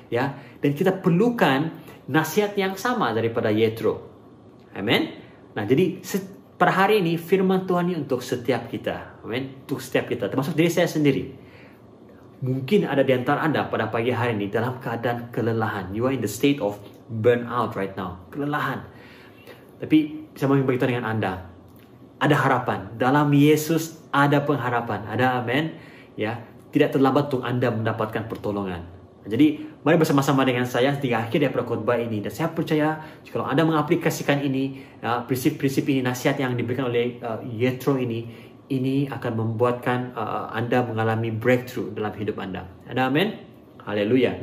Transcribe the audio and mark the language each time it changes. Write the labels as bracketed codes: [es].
[ms] Ya, dan kita perlukan nasihat yang sama daripada Yetro. Amin. Nah, jadi per hari ini firman Tuhan ini untuk setiap kita. Amin. Untuk setiap kita, termasuk diri saya sendiri. Mungkin ada di antara Anda pada pagi hari ini dalam keadaan kelelahan. [en] You are in the state of burnout right now. [ms] Kelelahan. Tapi saya mau beritahu dengan Anda, ada harapan. Dalam Yesus ada pengharapan. Ada, amin. Ya, tidak terlambat untuk Anda mendapatkan pertolongan. Jadi mari bersama-sama dengan saya di akhir daripada khotbah ini, dan saya percaya jika Anda mengaplikasikan ini, prinsip-prinsip ini, nasihat yang diberikan oleh Yetro ini, ini akan membuatkan Anda mengalami breakthrough dalam hidup Anda. Ada, amin? Haleluya.